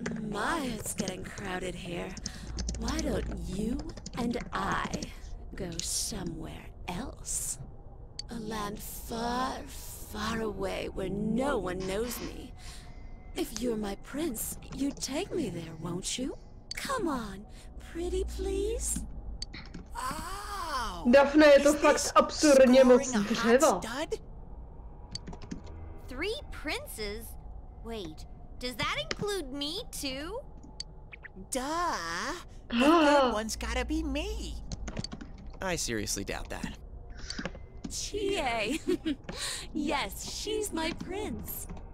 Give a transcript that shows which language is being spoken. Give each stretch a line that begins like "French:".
English: My, it's getting crowded here. Why don't you and I go somewhere else? A land far, far away where no one knows me. If you're my prince, you'd take me there, won't you? Come on, pretty please.
Czech: Oh, Daphne, je to fakt absurdně moc dřeva.
English: Three princes? Wait, does that include me too? Duh. That one's gotta be me. I seriously doubt that. Chie. Yes, she's my prince.